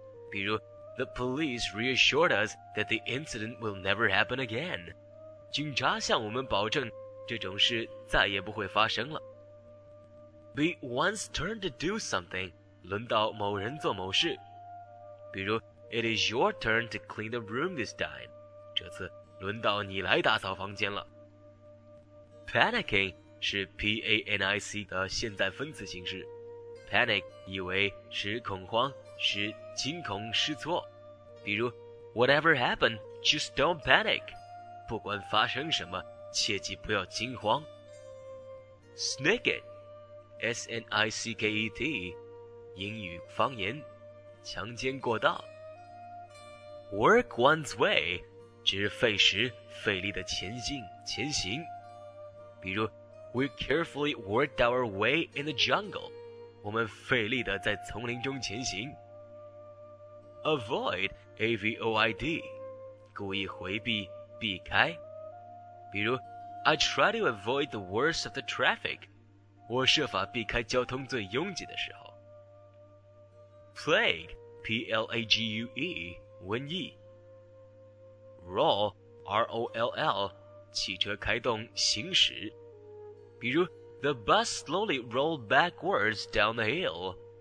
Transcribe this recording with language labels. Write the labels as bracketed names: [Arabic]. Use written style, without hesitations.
[Chinese] 比如 [English] The police reassured us that the incident will never happen again. [Chinese] 警察向我们保证这种事再也不会发生了。 [English] Be one's turn to do something, [Chinese] 轮到某人做某事。比如 [English] It is your turn to clean the room this time. [Chinese] 这次轮到你来打扫房间了。 Panicking 是 P-A-N-I-C 的现在分词形式。 Panic 意为使恐慌，使惊恐失措。比如 [English] Whatever happened, just don't panic. [Chinese] 不管发生什么，切记不要惊慌。 Snicket, S-N-I-C-K-E-T, 英语方言，强奸过道。 [English] Work one's way, [Chinese] 指费时费力的前行。比如 [English] ,We carefully worked our way in the jungle, [Chinese] 我们费力的在丛林中前行。 Avoid, A-V-O-I-D, 故意回避避开。比如 [English] I try to avoid the worst of the traffic. [Chinese] 我设法避开交通最拥挤的时候。 Plague, P-L-A-G-U-E, 瘟疫。 Roll, R-O-L-L, 汽车开动行驶。比如 [English] The bus slowly rolled backwards down the hill.